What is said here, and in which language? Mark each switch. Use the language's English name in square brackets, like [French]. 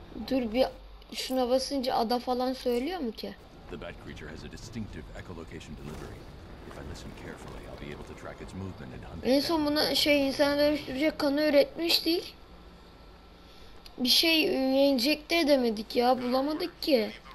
[Turkish] Dur bir şuna basınca ada falan söylüyor mu ki? [English] The bat creature has a distinctive echolocation delivery. If I listen carefully, I'll be able to track its movement and hunt. [Turkish] En son buna şey insana dönüştürecek kanı üretmiştik. Bir şey yenecek de demedik ya, bulamadık ki.